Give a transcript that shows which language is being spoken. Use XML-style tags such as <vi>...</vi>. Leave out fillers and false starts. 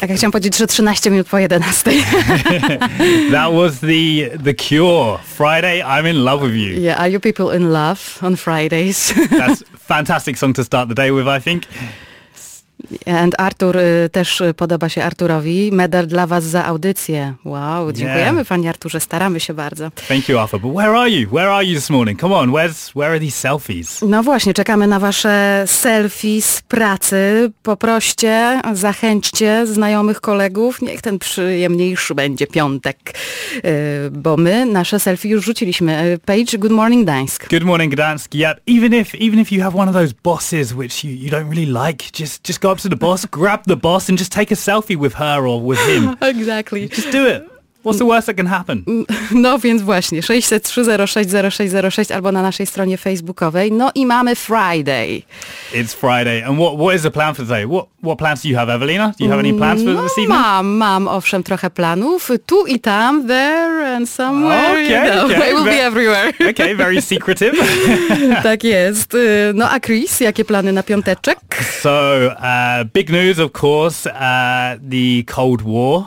<pl>Tak, ja chciałam powiedzieć, że 13 minut po 11.</pl> <en>That was the cure. Friday, I'm in love with you. Yeah, are you people in love on Fridays? That's fantastic song to start the day with, I think.</en> <pl>And Artur też podoba się Arturowi. Medal dla was za audycję. Wow, dziękujemy panie Arturze, staramy się bardzo.</pl> <en>Thank you, Arthur. But where are you? Where are you this morning? Come on, where are these selfies?</en> <pl>No właśnie, czekamy na wasze selfie z pracy. Poproście, zachęćcie znajomych kolegów. Niech ten przyjemniejszy będzie piątek, bo my nasze selfie już rzuciliśmy.</pl> <en>Paige, good morning, Gdańsk. Good morning, Gdańsk. Yep, even if you have one of those bosses which you don't really like, just go up to the boss, grab the boss and just take a selfie with her or with him. Exactly. Just do it. What's the worst that can happen?</en> <pl>No więc właśnie, 603060606 albo na naszej stronie facebookowej. No i mamy Friday.</pl> <en>It's Friday. And what is the plan for today? What plans do you have, Evelina? Do you have any plans for this evening?</en> <pl>Mam owszem trochę planów. Tu i tam,</pl> <en>there and somewhere. Okay, you know. Okay. I will be everywhere. Okay, very secretive.</en> <pl>Tak jest. No a Chris, jakie plany na piąteczek?</pl> <en>So, big news, of course, the Cold War.</en>